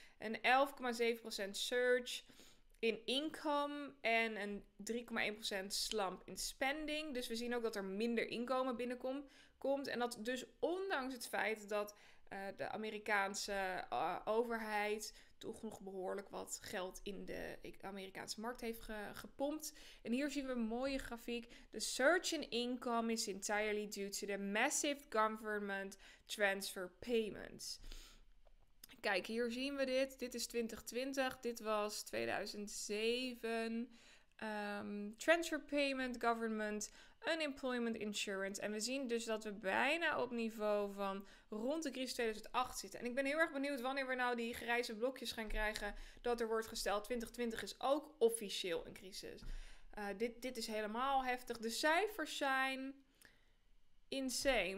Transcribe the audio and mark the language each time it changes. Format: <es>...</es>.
<en>Een 11,7% surge in income en een 3,1% slump in spending.</en> <nl>Dus we zien ook dat er minder inkomen binnenkomt. En dat dus ondanks het feit dat de Amerikaanse overheid toch nog behoorlijk wat geld in de Amerikaanse markt heeft gepompt. En hier zien we een mooie grafiek.</nl> <en>The surge in income is entirely due to the massive government transfer payments.</en> <nl>Kijk, hier zien we dit. Dit is 2020. Dit was 2007.</nl> <en>Transfer payment, government, unemployment insurance.</en> <nl>En we zien dus dat we bijna op niveau van rond de crisis 2008 zitten. En ik ben heel erg benieuwd wanneer we nou die grijze blokjes gaan krijgen dat er wordt gesteld 2020 is ook officieel een crisis. Dit is helemaal heftig. De cijfers zijn insane.</nl>